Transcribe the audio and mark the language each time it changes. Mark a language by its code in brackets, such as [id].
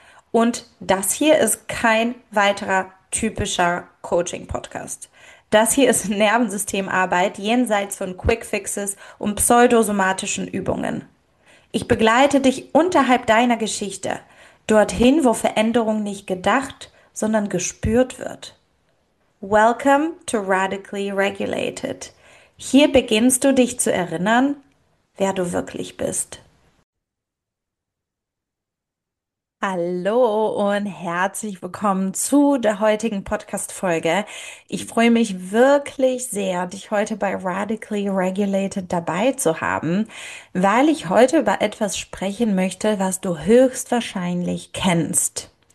[de] Und das hier ist kein weiterer typischer Coaching-Podcast. Das hier ist Nervensystemarbeit jenseits von Quickfixes und pseudosomatischen Übungen. Ich begleite dich unterhalb deiner Geschichte, dorthin, wo Veränderung nicht gedacht, sondern gespürt wird. [en] Welcome to Radically Regulated. [de] Hier beginnst du dich zu erinnern, wer du wirklich bist. Hallo und herzlich willkommen zu der heutigen Podcast-Folge. Ich freue mich wirklich sehr, dich heute bei Radically Regulated dabei zu haben, weil ich heute über etwas sprechen möchte, was du höchstwahrscheinlich kennst.